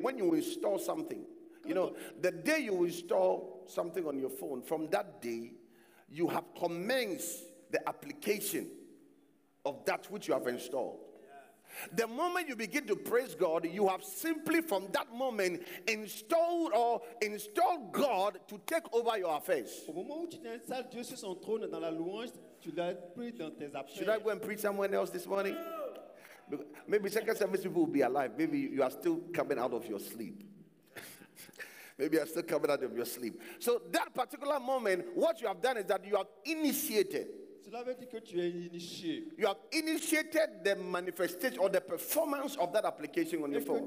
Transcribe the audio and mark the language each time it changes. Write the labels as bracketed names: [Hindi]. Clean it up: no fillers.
[English] When you install something, you know, the day you install something on your phone, from that day, you have commenced the application of that which you have installed. The moment you begin to praise God, you have simply from that moment installed God to take over your affairs. [French] Au moment où tu installes Dieu sur son trône dans la louange, tu l'as pris dans tes affaires. [English] Should I go and preach somewhere else this morning? Maybe second service people will be alive. Maybe you are still coming out of your sleep. Maybe you are still coming out of your sleep. So that particular moment, what you have done is that you have initiated. You have initiated the manifestation or the performance of that application on your phone.